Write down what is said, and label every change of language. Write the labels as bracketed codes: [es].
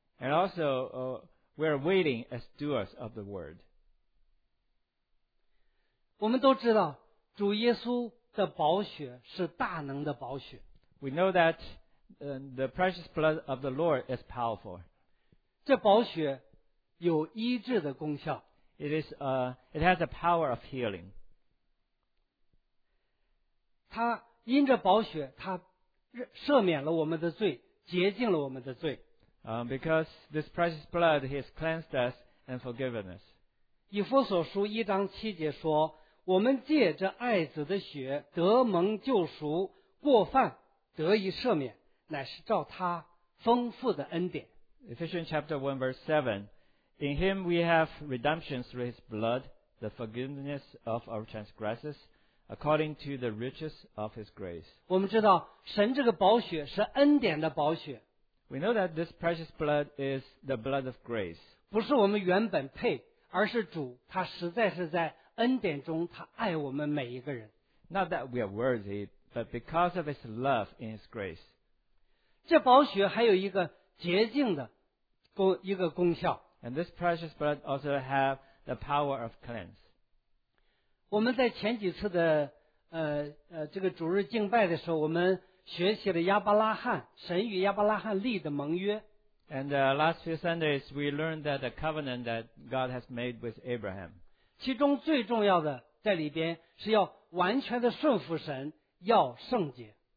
[en] And also, we are waiting as doers of the word. [zh] 我们都知道主耶稣的宝血是大能的宝血。 [en] We know that the precious blood of the Lord is powerful. [zh] 这宝血有医治的功效。 [en] It has the power of healing. [zh] 它因着宝血，它赦免了我们的罪，洁净了我们的罪。 [en] Because this precious blood has cleansed us and forgiven us. [zh] 以弗所书一章七节说，我们借着爱子的血得蒙救赎，过犯得以赦免，乃是照他丰富的恩典。 [en] Ephesians chapter 1 verse 7, In him we have redemption through his blood, the forgiveness of our transgressions, according to the riches of his grace. [zh] 我们知道神这个宝血是恩典的宝血。 [en] We know that this precious blood is the blood of grace. [zh] 不是我们原本配，而是主他实在是在恩典中，他爱我们每一个人。 [en] Not that we are worthy, but because of his love and his grace. [zh] 这宝血还有一个洁净的一个功效。 [en] And this precious blood also have the power of cleanse. [zh] 我们在前几次的这个主日敬拜的时候，我们学习了亚伯拉罕，神与亚伯拉罕立的盟约。 [en] And last few Sundays we learned that the covenant that God has made with Abraham. [zh] 其中最重要的在里边是要完全的顺服神，要圣洁。